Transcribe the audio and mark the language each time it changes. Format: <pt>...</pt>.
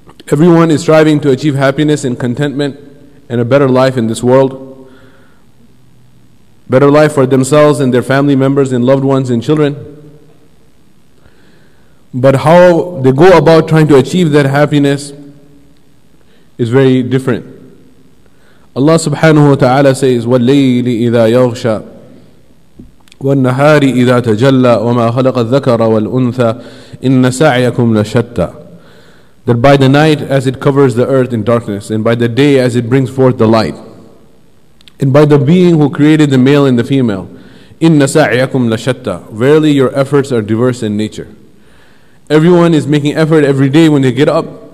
<en>Everyone is striving to achieve happiness and contentment and a better life in this world. Better life for themselves and their family members and loved ones and children. But how they go about trying to achieve that happiness is very different. Allah subhanahu wa ta'ala says,</en> <ar>وَاللَّيْلِ إِذَا يَغْشَى وَالنَّهَارِ إِذَا تَجَلَّى وَمَا خَلَقَ الذَّكَرَ وَالْأُنْثَى إِنَّ سَعْيَكُمْ لَشَتَّى.</ar> <en>That by the night as it covers the earth in darkness, and by the day as it brings forth the light, and by the being who created the male and the female,</en> <ar>إِنَّ سَعْيَكُمْ لَشَتَّى.</ar> <en>Verily your efforts are diverse in nature. Everyone is making effort every day when they get up.</en>